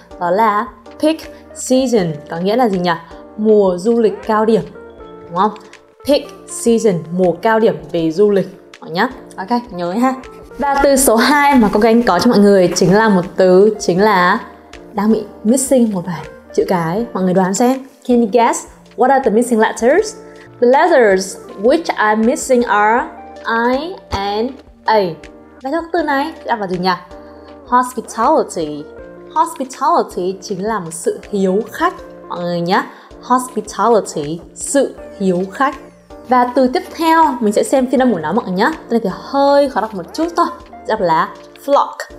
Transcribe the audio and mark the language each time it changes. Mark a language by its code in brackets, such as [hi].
[vi] Đó là peak season, có nghĩa là gì nhỉ? Mùa du lịch cao điểm, đúng không? Peak season, mùa cao điểm về du lịch mọi nhá. Ok, nhớ ha. Và từ số 2 mà cô gánh có cho mọi người chính là một từ, chính là đang bị missing một vài chữ cái. Mọi người đoán xem. [en] Can you guess what are the missing letters? The letters which I'm missing are I and A. [vi] Và trong từ này đang vào gì nhỉ? Hospitality. Hospitality chính là một sự hiếu khách mọi người nhá. Hospitality, sự hiếu khách. Và từ tiếp theo mình sẽ xem phiên âm của nó mọi người nhé. Từ này thì hơi khó đọc một chút thôi. Đọc là flock.